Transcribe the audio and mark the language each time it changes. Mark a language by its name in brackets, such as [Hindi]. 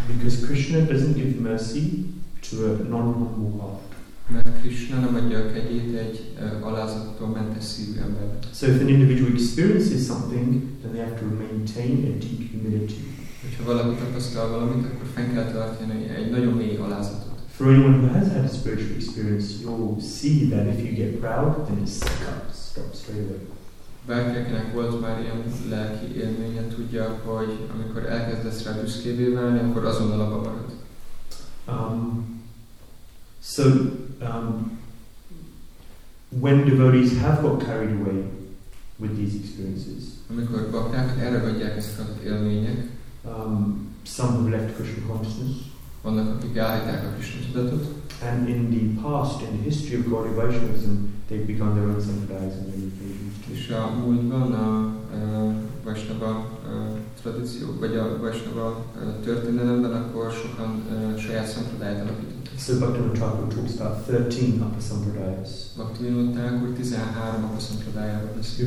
[English] Because Krishna doesn't give mercy to a non-humble heart. [Hungarian] Mert Krishna nem adja a kegyét egy alázattól mentes szívű embernek. [English] So if an individual experiences something, then they have to maintain a deep humility. [Hungarian] Hogyha valaki tapasztal valamit, akkor fenn kell tartani egy nagyon mély alázatot. [English] For anyone who has had a spiritual experience, you'll see that if you get proud, then it stops straight away. [Hungarian] Bárki, akinek volt már ilyen lelki élménye, tudja, hogy amikor elkezdesz rá büszkévé válni, akkor azonnal abba marad. [English] When devotees have got carried away with these experiences, [Hungarian] amikor baktákat elragadják ezek az élmények, [English] Some have left Krishna consciousness. [Hungarian] Vannak, akik elhagyták a Krishna tudatot. [English] And in the past, in the history of Gaudiya Vaishnavism, they've begun their own sampradayas and meditations. [Hungarian] És a múltban a Vaishnava tradíció, vagy a Vaishnava történelemben, akkor sokan saját sampradayát alakítottak. [English] So Bhaktivinoda Thakur talks about 13 upper sampradayas. [Hungarian] Bhaktivinoda Thakur 13 upper sampradayával beszél.